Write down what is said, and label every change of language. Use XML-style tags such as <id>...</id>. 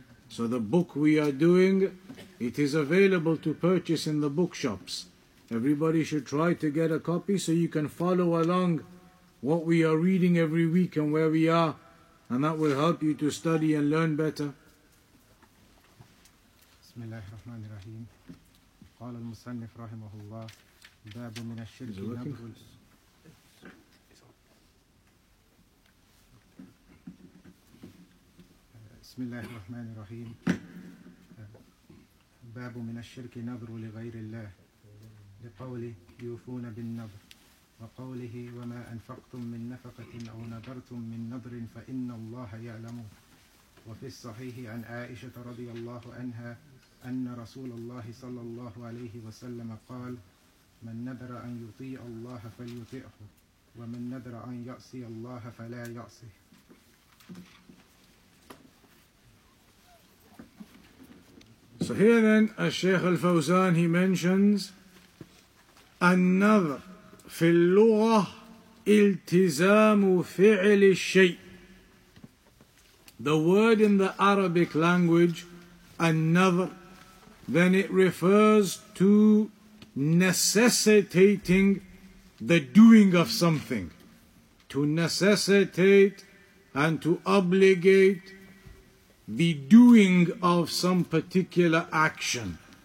<en>So the book we are doing, it is available to purchase in the bookshops. Everybody should try to get a copy so you can follow along what we are reading every week and where we are, and that will help you to study and learn better.</en> <ar>بسم الله الرحمن الرحيم قال المصنف رحمه الله باب من الشرك بسم الله الرحمن الرحيم باب من الشرك نذر لغير الله لقوله يوفون بالنذر وقوله وما أنفقتم من نفقة أو نذرتم من نذر فإن الله يعلمه وفي الصحيح عن عائشة رضي الله عنها أن رسول الله صلى الله عليه وسلم قال من نذر أن يطيع الله فليطيعه ومن نذر أن يعصي الله فلا يعصيه.</ar> <en>So here then,</en> <ar>الشيخ الفوزان,</ar> <en>he mentions</en> <ar>النذر في اللغة التزام فعل الشيء.</ar> <en>The word in the Arabic language, النذر, then it refers to necessitating the doing of something. To necessitate and to obligate the doing of some particular action.</en>